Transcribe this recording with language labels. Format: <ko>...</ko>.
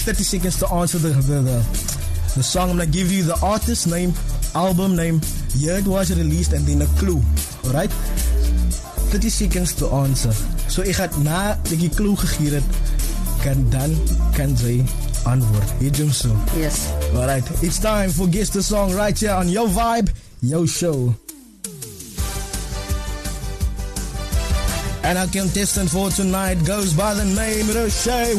<en>30 seconds to answer the song. I'm gonna give you the artist name, album name, year it was released, and then a clue. Alright? 30 seconds to answer.</en> <af>So, ek gaat na die clue gegeer het, kan jy antwoord.</af> <en>Hey, Jimson. Yes. Alright, it's time for guest the song right here on Your Vibe, Your Show. And our contestant for tonight goes by the name Rishay.</en>